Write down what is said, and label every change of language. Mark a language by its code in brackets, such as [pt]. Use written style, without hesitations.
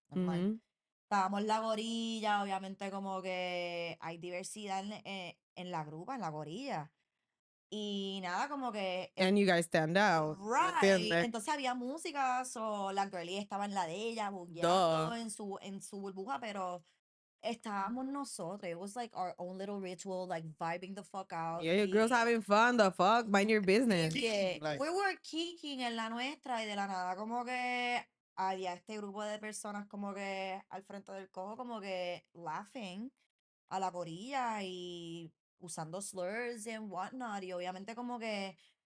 [es] Estábamos en la gorilla, obviamente como que hay diversidad en la grupa, en la gorilla. Y nada, como que... [en] And you guys stand out. Right. [es] ¿Entiendes? Entonces había música, so la girlie estaba en la de ella, bugueando en su burbuja, pero... Estábamos nosotros. [en] It was like our own little ritual, like vibing the fuck out. Yeah, your girls having fun, the fuck? Mind your business. Yeah. We were kicking [es] en la nuestra y de la nada como que había este grupo de personas como que al frente del cojo como que laughing a la gorilla y usando [en] slurs and whatnot. [es] Y obviamente como que